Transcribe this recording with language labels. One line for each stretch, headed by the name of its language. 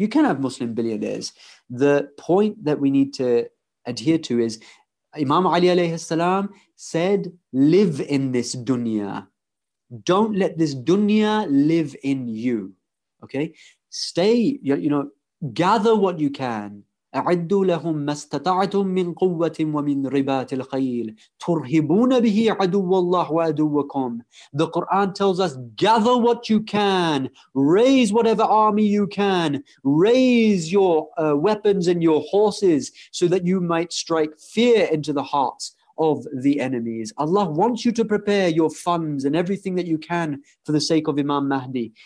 English: You can have Muslim billionaires. The point that we need to adhere to is Imam Ali alayhi salam said, live in this dunya. Don't let this dunya live in you. Okay? Stay, you know, gather what you can.
Arabic: أعدوا لهم ما استطعتم من قوة ومن رباط الخيل ترهبون به عدو الله وعدوكم.
English: The Quran tells us, gather what you can, raise whatever army you can, raise your weapons and your horses so that you might strike fear into the hearts of the enemies. Allah wants you to prepare your funds and everything that you can for the sake of Imam Mahdi.